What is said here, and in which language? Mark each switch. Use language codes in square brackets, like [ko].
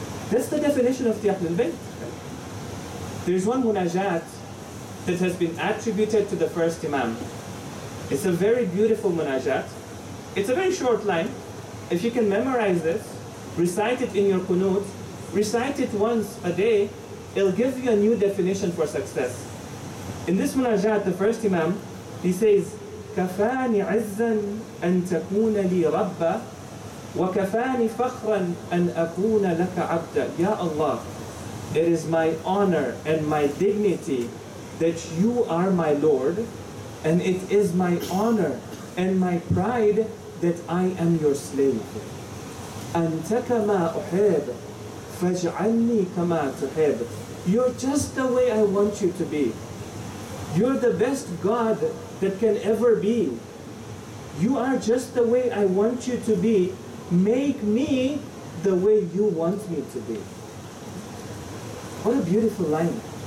[en] That's the definition of the Ahlul Bayt. There's one munajat that has been attributed to the first Imam. It's a very beautiful munajat. It's a very short line. If you can memorize this, recite it in your kunut, recite it once a day, it'll give you a new definition for success. In this munajat, the first Imam, he says, [ar] كَفَانِ عِزًّا أَن تَكُونَ لِي رَبَّا وَكَفَانِ فَخْرًا أَن أَكُونَ لَكَ عَبْدًا. [en] Ya Allah, it is my honor and my dignity that you are my Lord, and it is my honor and my pride that I am your slave. [ar] أَنْتَ كَمَا أُحِبُ فَاجْعَلْنِي كَمَا تُحِبُ. [en] You're just the way I want you to be. You're the best God that can ever be. You are just the way I want you to be. Make me the way you want me to be. What a beautiful line.